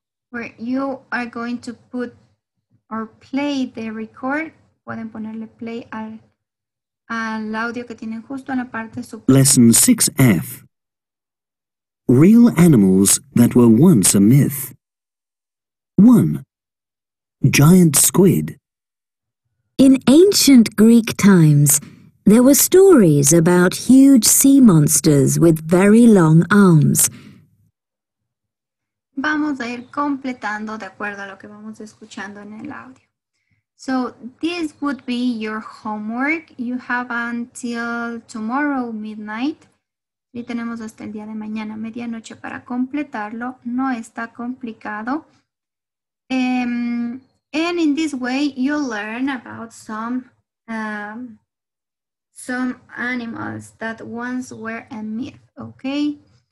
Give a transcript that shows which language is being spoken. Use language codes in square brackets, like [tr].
[en] Where you are going to put or play the record. [es] Pueden ponerle play al audio que tienen justo en la parte superior. [en] Lesson 6F. Real animals that were once a myth. 1. Giant squid. In ancient Greek times, there were stories about huge sea monsters with very long arms. [es] Vamos a ir completando de acuerdo a lo que vamos escuchando en el audio. [en] So, this would be your homework. You have until tomorrow midnight. [es] Y tenemos hasta el día de mañana, medianoche, para completarlo. No está complicado. [en] And in this way, you'll learn about some animals that once were a myth, okay?